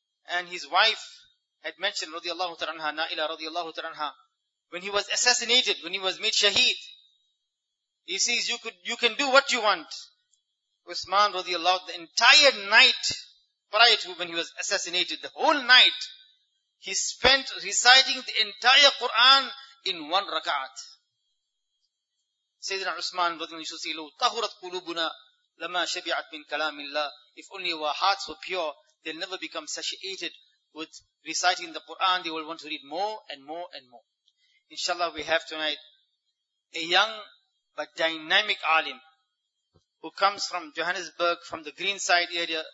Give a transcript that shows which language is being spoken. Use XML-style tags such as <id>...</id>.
<en>And his wife had mentioned radiallahu ta'ala anha, Naila radiallahu ta'ala anha, when he was assassinated, when he was made shaheed, he says, you can do what you want. Uthman radiallahu, the entire night prior to when he was assassinated, the whole night, he spent reciting the entire Quran in one rakat. Sayyidina Uthman radiallahu used to say,</en> <ar>لو طهرت قلوبنا لما شبعت من كلام الله.</ar> <en>If only our hearts were pure, they'll never become satiated with reciting the Quran. They will want to read more and more and more. Inshallah, we have tonight a young but dynamic alim, who comes from Johannesburg, from the Greenside area.</en>